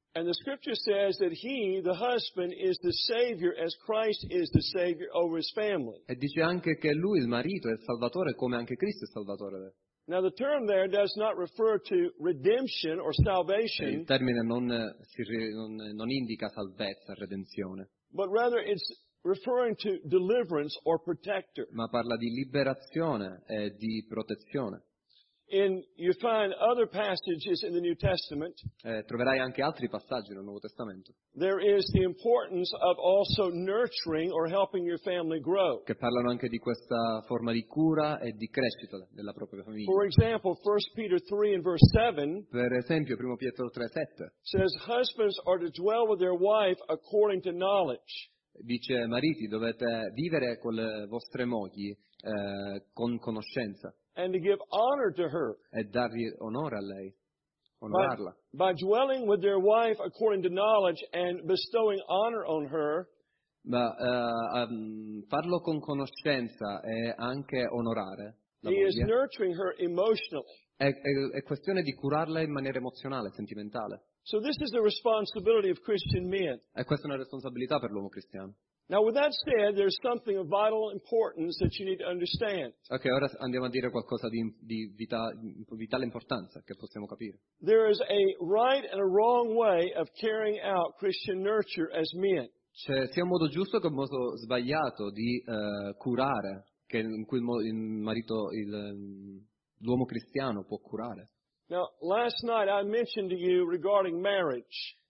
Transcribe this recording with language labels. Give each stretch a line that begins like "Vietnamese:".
English: And the scripture says that he, the husband, is the savior as Christ is the savior over his family.
Italian: E dice anche che lui, il marito, è il salvatore come anche Cristo è salvatore.
English: Now the term there does not refer to redemption or salvation.
Italian: Il termine non indica salvezza, redenzione.
English: but rather it's referring to deliverance or protector.
Italian: Ma parla di liberazione e di protezione.
English: And you find other passages in the New Testament.
Italian: Troverai anche altri passaggi nel Nuovo Testamento.
English: There is the importance of also nurturing or helping your family grow.
Italian: Che parlano anche di questa forma di cura e di crescita della propria famiglia.
English: For example, 1 Peter 3 and verse 7.
Italian: Per esempio, 1 Pietro 3:7.
English: Says husbands are to dwell with their wife according to knowledge.
Italian: Dice mariti dovete vivere con le vostre mogli con conoscenza.
English: And to give honor to her.
Italian: E dargli onore a lei, onorarla.
English: By dwelling with their wife according to knowledge and bestowing honor on her.
Italian: Ma farlo con conoscenza e anche onorare.
English: He is nurturing her emotionally.
Italian: È questione di curarla in maniera emozionale, sentimentale.
English: So this is the responsibility of Christian men.
Italian: E questa è una responsabilità per l'uomo cristiano.
English: Now, with that said, there's something of vital importance that you need to understand.
Italian: Okay, ora andiamo a dire qualcosa di vitale importanza che possiamo capire.
English: There is a right and a wrong way of carrying out Christian nurture as men.
Italian: C'è sia un modo giusto che un modo sbagliato di curare, che in cui il marito, l'uomo cristiano può curare.
English: Now, last night I mentioned to you regarding marriage.